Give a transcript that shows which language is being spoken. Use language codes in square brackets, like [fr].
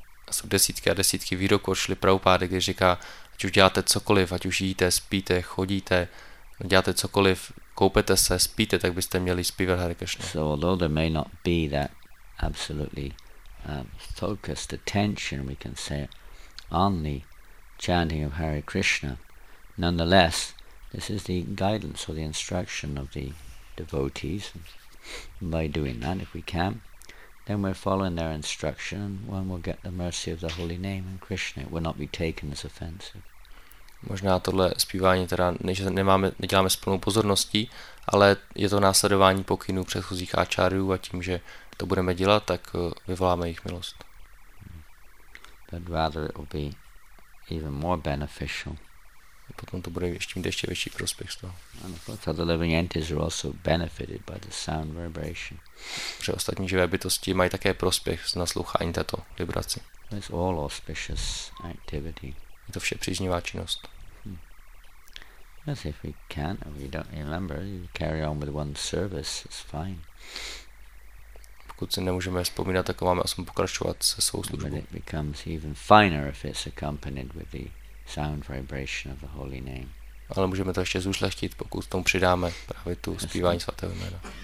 [cs] Jsou desítky a desítky výroků od Šrily Prabhupády, kdy říká, ať už děláte cokoliv, ať už jíte, spíte, chodíte, děláte cokoliv, koupete se, spíte, tak byste měli zpívat Hare Krishna. [en] So although there may not be that absolutely focused attention, we can say, on the chanting of Hare Krishna, nonetheless, this is the guidance or the instruction of the devotees. By doing that, if we can, then we're following their instruction, one will get the mercy of the holy name and Krishna. It will not be taken as offensive. [cs] Možná tohle zpívání teda neděláme s plnou pozorností, ale je to následování pokynů předchozích áčárů a tím, že to budeme dělat, tak vyvoláme jejich milost. [en] But rather it will be even more beneficial. [cs] A potom to bude ještě větší prospěch z toho. [en] And of course, other living entities are also benefited by the sound vibration. [cs] Že ostatní živé bytosti mají také prospěch z naslouchání této vibraci. [en] It's all auspicious activity. [cs] Je to vše příznivá činnost. [en] As if we can, if we don't remember, you carry on with one service, it's fine. [cs] pokud si nemůžeme vzpomínat, tak máme aspoň pokračovat se svou službou. [en] But it becomes even finer if it's accompanied with the sound vibration of the holy name. [cs] Ale můžeme to ještě zúšlechtit, pokud tomu přidáme právě tu zpívání svatého jména.